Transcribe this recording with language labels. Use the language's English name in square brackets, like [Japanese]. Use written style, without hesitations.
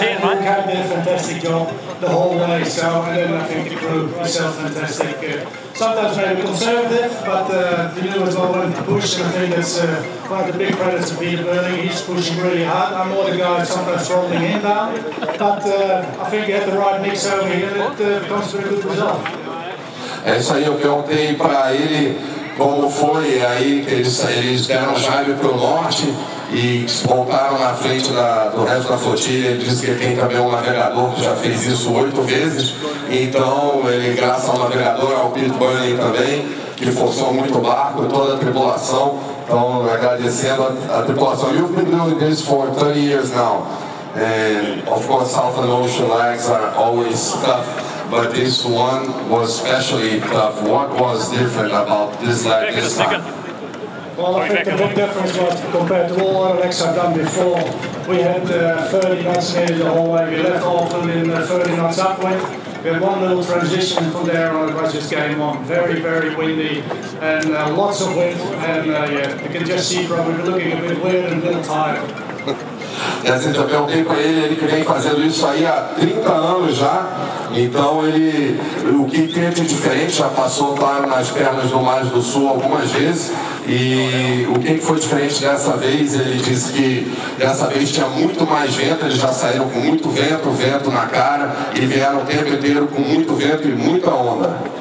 [English] Yeah, and Cam did a fantastic job the whole way, so and then I think the crew, myself, fantastic. Sometimes very conservative, but the new as well wanted to push, and I think that's one of the big credits of Peter Burling. He's pushing really hard. I'm more the guy sometimes throttling him down, but I think he had the right mix over here, and it comes to a good result. [Portuguese] É isso aí, eu perguntei para ele como foi aí que eles deram chave para o norte e voltaram na frente do resto da flotilha. Ele disse que tem também um navegador que já fez isso 8 vezes. Então, ele, graças ao navegador, ao Pete Burning também, que forçou muito o barco, toda a tripulação. Então, agradecendo a tripulação. [English] You've been doing this for 30 years now. And, of course, South and Ocean legs are always tough. But this one was especially tough. What was different about this leg this time? Well, I think the big difference was compared to all other legs I've done before. We had 30 knots here the whole way. We left Auckland in 30 knots upwind. We had one little transition from there on, but just came on. Very, very windy and lots of wind. And yeah, you can just see probably looking a bit weird and a little tired. [Portuguese] E assim, eu perguntei para ele, ele que vem fazendo isso aí há 30 anos já, então ele, o que tem de diferente, já passou, claro, nas pernas do Mar do Sul algumas vezes, e o que foi diferente dessa vez, ele disse que dessa vez tinha muito mais vento, eles já saíram com muito vento, vento na cara, e vieram o tempo inteiro com muito vento e muita onda.